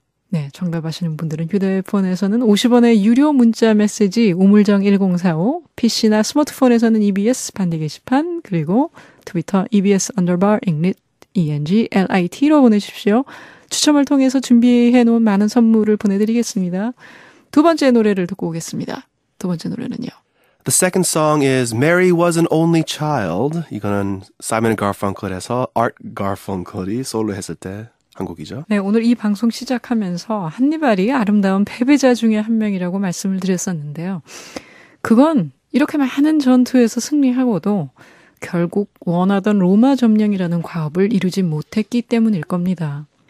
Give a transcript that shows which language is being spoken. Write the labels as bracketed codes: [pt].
[ko] 네, 정답하시는 분들은 휴대폰에서는 50원의 유료 문자 메시지 우물정 1045, PC나 스마트폰에서는 EBS 반대 게시판, 그리고 트위터 EBS underbar ENGLIT로 보내주십시오. 추첨을 통해서 준비해놓은 많은 선물을 보내드리겠습니다. 두 번째 노래를 듣고 오겠습니다. 두 번째 노래는요. [en] The second song is Mary Was an Only Child. [ko] 이거는 Simon Garfunkel에서 Art Garfunkel이 솔로 했을 때 한국이죠. 네, 오늘 이 방송 시작하면서 한니발이 아름다운 패배자 중에 한 명이라고 말씀을 드렸었는데요. 그건 이렇게 많은 전투에서 승리하고도 결국 원하던 로마 점령이라는 과업을 이루지 못했기 때문일 겁니다.